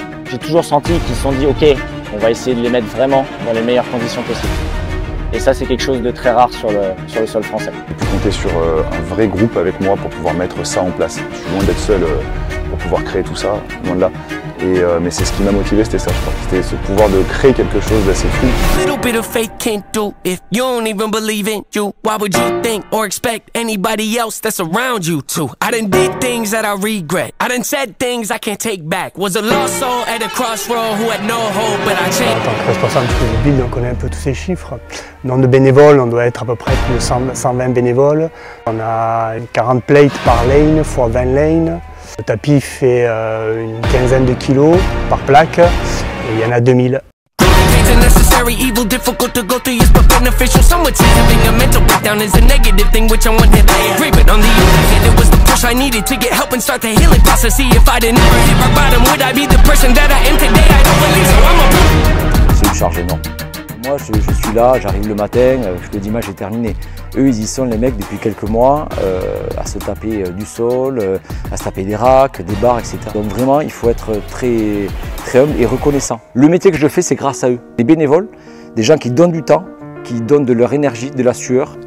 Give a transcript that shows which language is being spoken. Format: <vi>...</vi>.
<fr>J'ai toujours senti qu'ils se sont dit « Ok, on va essayer de les mettre vraiment dans les meilleures conditions possibles. » Et ça, c'est quelque chose de très rare sur le sol français. J'ai pu compter sur un vrai groupe avec moi pour pouvoir mettre ça en place. Je suis loin d'être seul pour pouvoir créer tout ça, loin de là. Mais c'est ce qui m'a motivé, c'était ça, je crois. C'était ce pouvoir de créer quelque chose d'assez fou.</fr> <en>Little bit of faith can't do if you don't even believe in you. Why would you think or expect anybody else that's around you to? I done did things that I regret. I done said things I can't take back. Was a lost soul at a crossroad who had no hope, but I changed.</en> <fr>En tant que responsable du club, on connaît un peu tous ces chiffres. Nombre de bénévoles, on doit être à peu près 120 bénévoles. On a 40 plates par lane, fois 20 lanes. Le tapis fait une quinzaine de kilos par plaque et il y en a 2000.</fr> <en>Necessary evil, difficult to go through, yes, but beneficial. Some would say having a mental breakdown is a negative thing, which I'm one hit. I agree, but on the other hand, it was the push I needed to get help and start the healing process. See, if I didn't ever hit rock bottom, would I be the person that I am today? I don't believe so. I'm a.</en> <fr>C'est une charge énorme. Moi, je suis là, j'arrive le matin, je te dis, match est terminé. Eux, ils y sont, les mecs, depuis quelques mois, à se taper du sol, à se taper des racks, des barres, etc. Donc vraiment, il faut être très, très humble et reconnaissant. Le métier que je fais, c'est grâce à eux. Des bénévoles, des gens qui donnent du temps, qui donnent de leur énergie, de la sueur.</fr>